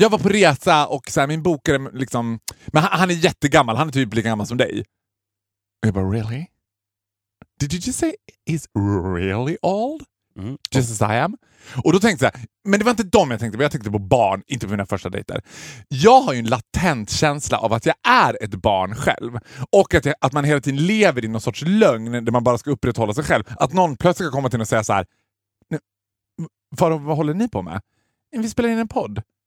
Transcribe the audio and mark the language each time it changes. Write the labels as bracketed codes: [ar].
[sv] Jag var på resa och så här, min bokare liksom, men han är jättegammal. Han är typ lika gammal som dig. Och jag bara, [en] really? Did you just say he's really old? Mm. Just as I am. [sv] Och då tänkte jag, men det var inte dem jag tänkte på. Jag tänkte på barn, inte på mina första dejter. Jag har ju en latent känsla av att jag är ett barn själv. Och att man hela tiden lever i någon sorts lögn där man bara ska upprätthålla sig själv. Att någon plötsligt ska komma till och säga så här: Faro, vad håller ni på med? Vi spelar in en podd.